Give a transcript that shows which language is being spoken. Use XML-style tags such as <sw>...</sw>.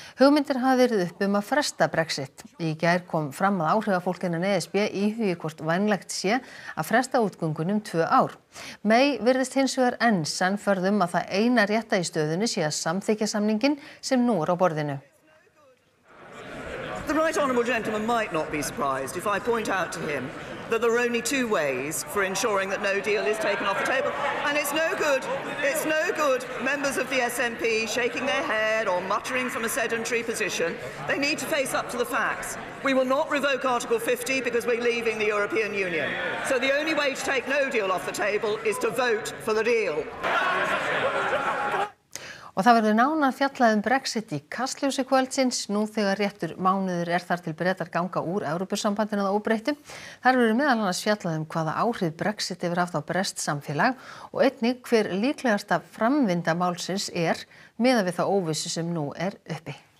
<is>Hugmyndir hafa verið upp að fresta Brexit. Í gær kom fram að áhrifafólkinnan ESB íhugi hvort vænlegt sé að fresta útgöngunum 2 ár. May virðist hins vegar enn sannförðum að það eina rétta í stöðunni sé að samþykja samningin sem nú á borðinu.</is> <en>The right honourable gentleman might not be surprised if I point out to him that there are only 2 ways for ensuring that no deal is taken off the table. And it's no good members of the SNP shaking their head or muttering from a sedentary position. They need to face up to the facts. We will not revoke Article 50 because we're leaving the European Union. So the only way to take no deal off the table is to vote for the deal.</en> <is>Og það verður nánar fjallað Brexit í Kastljósi kvöldsins, nú þegar réttur mánuður er þar til Bretar ganga úr Evrópusambandinu að óbreyttu. Þar verður meðal annars fjallað hvaða áhrif Brexit hefur haft á breskt samfélag og einnig hver líklegasta framvinda málsins er miðað við þá óvissu sem nú er uppi.</is>